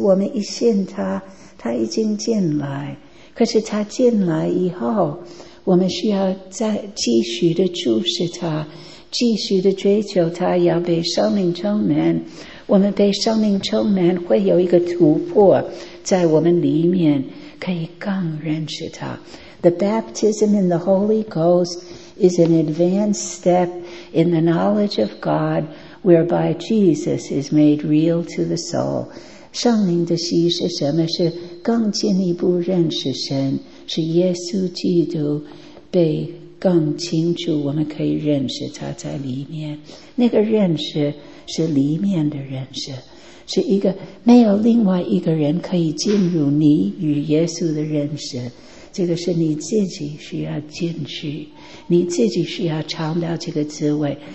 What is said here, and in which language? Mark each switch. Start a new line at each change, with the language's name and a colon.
Chinese: 我们一信他，他已经进来，可是他进来以后，我们需要再继续的注视他，继续的追求他，要被生命充满。我们被生命充满，会有一个突破在我们里面，可以更认识他。
English: The baptism in the Holy Ghost is an advanced step in the knowledge of God, whereby Jesus is made real to the soul.
Chinese: 圣灵的洗是什么？是更进一步认识神，是耶稣基督被更清楚，我们可以认识他在里面。那个认识是里面的认识，是一个没有另外一个人可以进入你与耶稣的认识，这个是你自己需要进去，你自己需要尝到这个滋味。